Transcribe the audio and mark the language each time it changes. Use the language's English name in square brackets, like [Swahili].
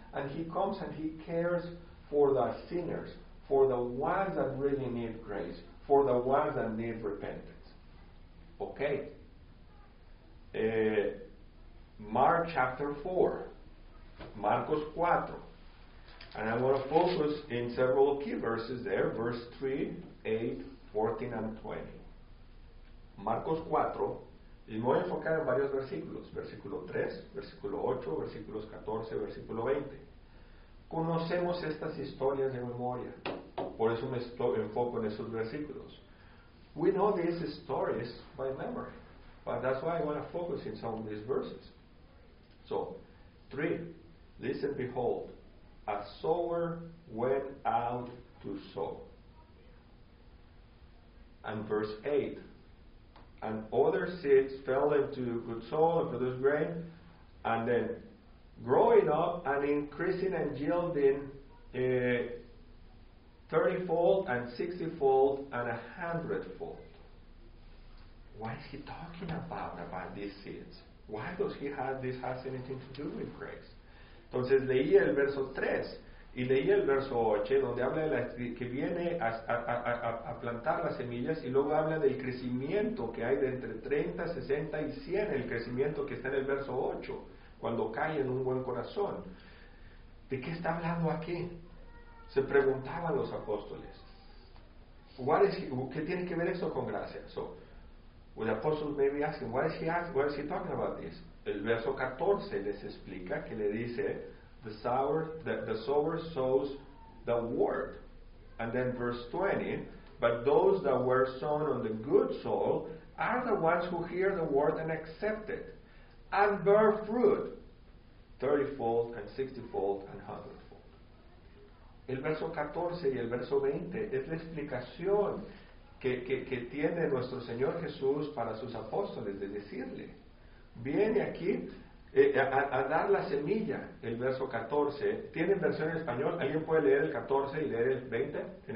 [English] He comes and he cares for the sinners, for the ones that really need grace, for the ones that need repentance. Okay. Mark chapter 4. Marcos 4. And I want to focus in several key verses there. Verse 3, 8, 14, and 20. [Spanish] Marcos 4, y me voy a enfocar en varios versículos, versículo 3, versículo 8, versículos 14, versículo 20. Conocemos estas historias de memoria, por eso me enfoco en esos versículos. [English] We know these stories by memory, but that's why I want to focus in some of these verses. So, 3, listen, behold, a sower went out to sow. And verse 8, and other seeds fell into good soil and produced grain, and then growing up and increasing and yielding 30-fold and 60-fold and 100-fold. What is he talking about these seeds? Why does he have this has anything to do with grace? [Spanish] Entonces leí el verso 3 y leí el verso 8, donde habla de que viene a plantar las semillas, y luego habla del crecimiento que hay de entre 30, 60 y 100, el crecimiento que está en el verso 8, cuando cae en un buen corazón. ¿De qué está hablando aquí? Se preguntaban los apóstoles. ¿Qué tiene que ver eso con gracia? [English] So, the apostles may be asking, what is he talking about this? [Spanish] El verso 14 les explica que le dice, [English] The sower sows the word. And then verse 20, but those that were sown on the good soil are the ones who hear the word and accept it and bear fruit 30-fold and 60-fold and 100-fold. [Spanish] El verso 14 y el verso 20 es la explicación que tiene nuestro Señor Jesús para sus apóstoles de decirle. Viene aquí a dar la semilla, el verso 14. ¿Tienen versión en español? ¿Alguien puede leer el 14 y leer el 20 en español?